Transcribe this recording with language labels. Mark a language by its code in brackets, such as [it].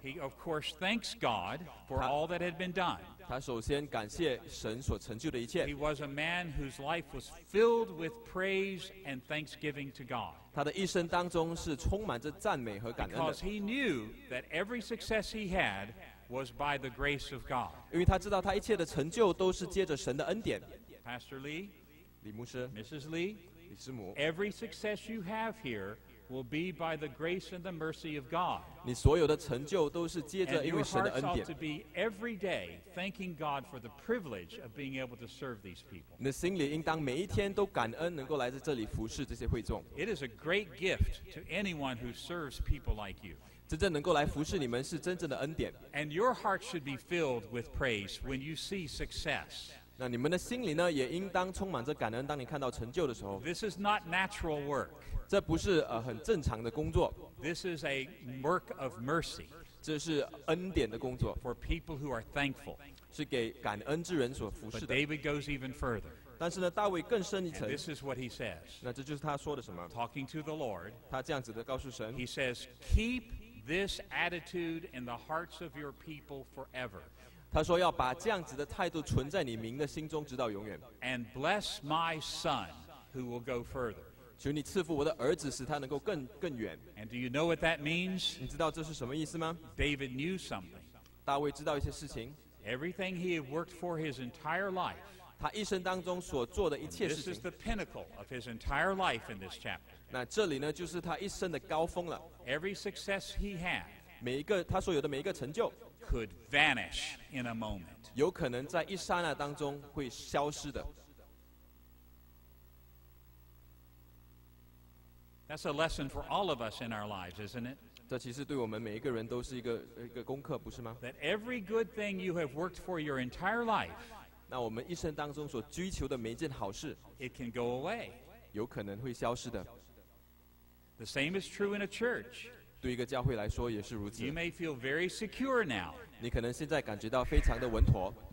[en] he of course thanks God for all that had been done. [zh] 他首先感谢神所成就的一切。 [en] He was a man whose life was filled with praise and thanksgiving to God. [zh] 他的一生当中是充满着赞美和感恩的。 [en] Because he knew that every success he had was by the grace of God. [zh] 因为他知道他一切的成就都是借着神的恩典。 [en] Pastor Lee, [zh] 李牧师, [en] Mrs. Lee, [zh] 李师母, [en] every success you have here will be by the grace and the mercy of God. [zh] 你所有的成就都是借着因为神的恩典。 [en] And your hearts ought to be every day thanking God for the privilege of being able to serve these people. [zh] 你的心里应当每一天都感恩能够来自这里服侍这些会众。 [en] It is a great gift to anyone who serves people like you. [zh] 真正能够来服侍你们是真正的恩典。 [en] And your heart should be filled with praise when you see success. [zh] 那你们的心里呢，也应当充满着感恩，当你看到成就的时候。 [en] This is not natural work. [zh] 这不是很正常的工作。 [en] This is a work of mercy. [zh] 这是恩典的工作。 [en] For people who are thankful. [zh] 是给感恩之人所服侍的。 [en] But David goes even further. [zh] 但是呢，大卫更深一层。 [en] This is what he says. [zh] 那这就是他说的什么 [en] ？Talking to the Lord. [zh] 他这样子的告诉神。 [en] He says, "Keep this attitude in the hearts of your people forever." [zh] 他说要把这样子的态度存在你民的心中，直到永远。 [en] And bless my son, who will go further. [zh] 求你赐福我的儿子，使他能够更远。 [en] And do you know what that means? [zh] 你知道这是什么意思吗 [en] ？David knew something. [zh] 大卫知道一些事情。 [en] Everything he had worked for his entire life. [zh] 他一生当中所做的一切事情。 [en] This is the pinnacle of his entire life in this chapter. [zh] 那这里呢，就是他一生的高峰了。 [en] Every success he had. [zh] 每一个他所有的每一个成就。 [en] Could vanish in a moment. [zh] 有可能在一刹那当中会消失的。 [en] That's a lesson for all of us in our lives, isn't it? [zh] 这其实对我们每一个人都是一个功课，不是吗 [en] ？That every good thing you have worked for your entire life， [zh] 那我们一生当中所追求的每件好事 [en] ，it can go away， [zh] 有可能会消失的。 [en] The same is true in a church。 [zh] 对一个教会来说也是如此。 [en] You may feel very secure now。 [zh] 你可能现在感觉到非常的稳妥。